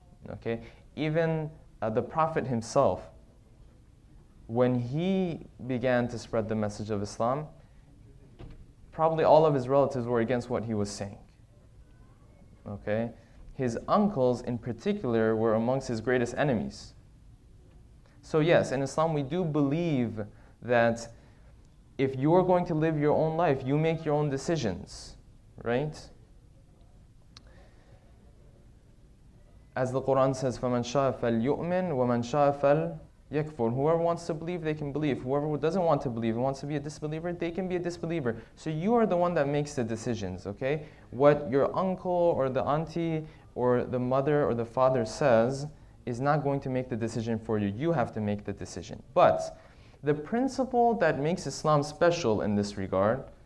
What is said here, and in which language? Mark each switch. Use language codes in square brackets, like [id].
[en] Okay, even the Prophet himself, when he began to spread the message of Islam, probably all of his relatives were against what he was saying. Okay? His uncles in particular were amongst his greatest enemies. So yes, in Islam we do believe that if you're going to live your own life, you make your own decisions. Right? As the Quran says, [ar] فَمَنْ شَاءَ فَلْيُؤْمِنْ وَمَنْ شَاءَ فَلْيَكْفُرْ. [en] Whoever wants to believe, they can believe. Whoever doesn't want to believe and wants to be a disbeliever, they can be a disbeliever. So you are the one that makes the decisions, okay? What your uncle or the auntie or the mother or the father says is not going to make the decision for you. You have to make the decision. But the principle that makes Islam special in this regard